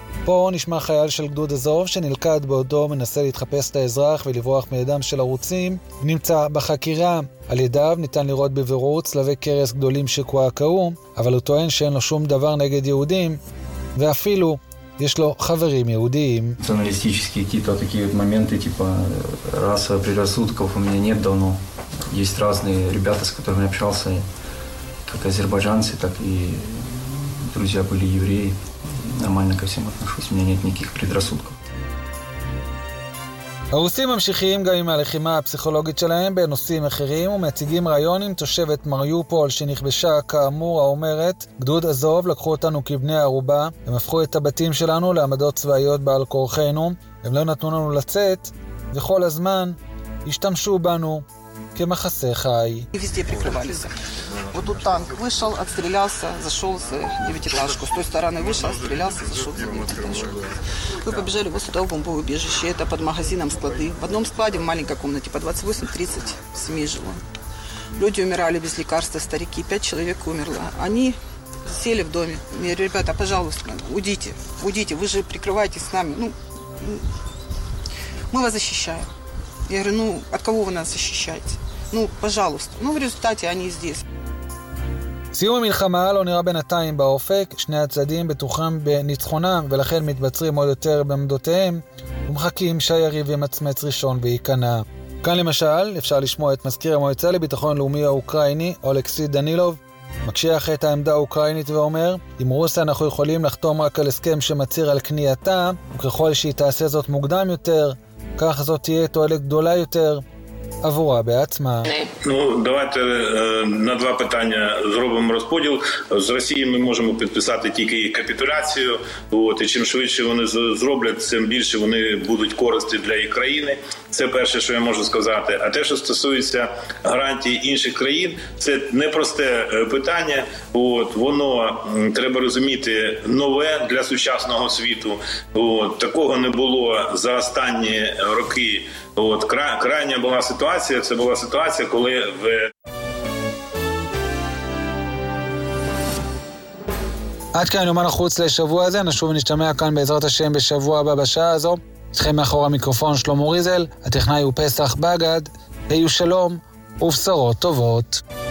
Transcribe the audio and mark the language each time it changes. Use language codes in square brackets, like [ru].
[he] פה נשמע חייל של גדוד אזוב שנלכד בעודו מנסה להתחפש את האזרח ולברוח מידם של ערוצים, נמצא בחקירה. על ידיו ניתן לראות בבירור צלבי קרס גדולים שקועקעו, אבל הוא טוען שאין לו שום דבר נגד יהודים, ואפילו יש לו חברים יהודיים. [ru] Националистические какие-то такие вот моменты, типа раса предрассудков у меня нет давно. Есть разные ребята, с которыми общался, как азербайджанцы, так и друзья были евреи. [he] נורמלי כמו שאני מתנשא, אין לי [ru] никаких предрассудков. [he] הרוסים ממשיכים גם עם הלחימה הפסיכולוגית שלהם בנושאים אחרים ומציגים רעיון עם תושבת מריופול שנכבשה כאמור האומרת גדוד אזוב לקחו אותנו כבני ערובה, הם הפכו את הבתים שלנו לעמדות צבאיות בעל כורחנו, הם לא נתנו לנו לצאת וכל הזמן השתמשו בנו כמחסה חי. [ru] Вот тут танк вышел, отстрелялся, зашел за девятиэтажку. С той стороны вышел, отстрелялся, зашел за девятиэтажку. Мы побежали вот сюда в бомбовое убежище. Это под магазином склады. В одном складе, в маленькой комнате, по 28-30 семей жило. Люди умирали без лекарства, старики. 5 человек умерло. Они сели в доме. Я говорю, ребята, пожалуйста, уйдите, уйдите. Вы же прикрываетесь с нами. Ну, мы вас защищаем. Я говорю, ну, от кого вы нас защищаете? Ну, пожалуйста. Ну, в результате они здесь. [he] סיום המלחמה לא נראה בינתיים באופק, שני הצדדים בטוחם בניצחונם ולכן מתבצרים עוד יותר בעמדותיהם ומחכים שהיריב ימצמץ ראשון ויקנע. כאן למשל אפשר לשמוע את מזכיר המועצה לביטחון לאומי האוקראיני אולכסי דנילוב מקשיח את העמדה האוקראינית ואומר, עם רוסיה אנחנו יכולים לחתום רק על הסכם שמציר על קנייתה, וככל שהיא תעשה זאת מוקדם יותר כך זאת תהיה תועלת גדולה יותר עבורה בעצמה. [uk] Ну, давайте на два питання зробимо розподіл. З Росією ми можемо підписати тільки капітуляцію. От, і чим швидше вони зроблять, тим більше вони будуть користі для їх країни. Це перше, що я можу сказати. А те, що стосується гарантій інших країн, це непросте питання. От, воно, треба розуміти, нове для сучасного світу. От, такого не було за останні роки. От, крайня була ситуація, це була ситуація, коли в... [he] עד כאן יומן החוץ לשבוע הזה, נשוב ונשתמע כאן בעזרת השם בשבוע הבא בשעה הזו. אתכם מאחור המיקרופון שלמה ריזל, הטכנאי הוא פסח בגד, היו שלום ובשורות טובות.